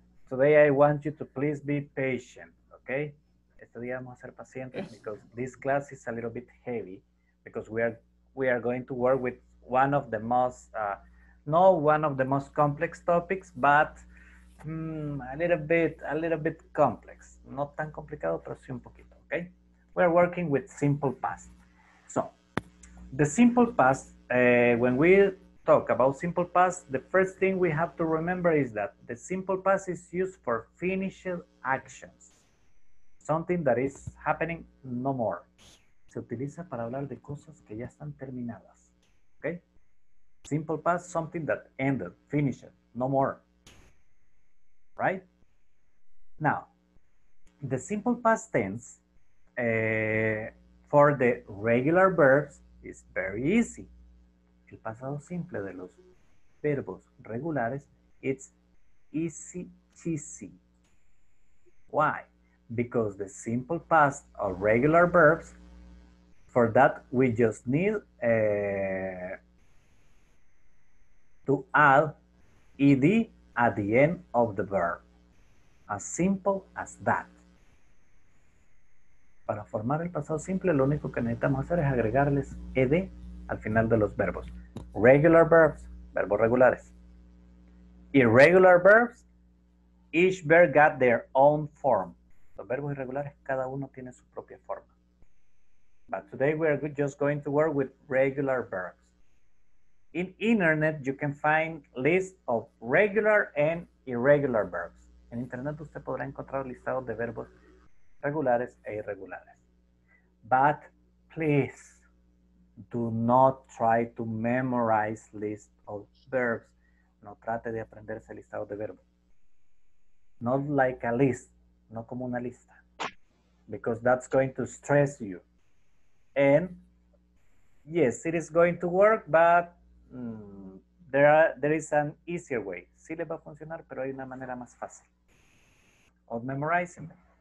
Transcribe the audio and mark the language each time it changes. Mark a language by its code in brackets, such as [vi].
[en] Today I want you to please be patient, okay? [es] Estudiamos ser pacientes [en] because this class is a little bit heavy because we are going to work with one of the most, not one of the most complex topics, but a little bit complex. [es] No tan complicado, pero sí un poquito, okay? [en] We're working with simple past. So, the simple past, when we talk about simple past, the first thing we have to remember is that the simple past is used for finished actions. Something that is happening no more. [es] Se utiliza para hablar de cosas que ya están terminadas. [en] Okay? Simple past, something that ended, finished, no more. Right? Now, the simple past tense for the regular verbs is very easy. [es] El pasado simple de los verbos regulares, [en] it's easy, cheesy. Why? Because the simple past of regular verbs, for that we just need to add ed at the end of the verb. As simple as that. [es] Para formar el pasado simple, lo único que necesitamos hacer es agregarles ed al final de los verbos. [en] Regular verbs, [es] verbos regulares. [en] Irregular verbs, each verb got their own form. [es] Los verbos irregulares, cada uno tiene su propia forma. [en] But today we are just going to work with regular verbs. In internet, you can find list of regular and irregular verbs. [es] En internet usted podrá encontrar listados de verbos regulares e irregulares. [en] But please, do not try to memorize list of verbs. [es] No trate de aprenderse listado de verbos. [en] Not like a list. [es] No como una lista. [en] Because that's going to stress you. And yes, it is going to work, but there is an easier way. [es] Sí le va a funcionar, pero hay una manera más fácil [en] of memorizing them.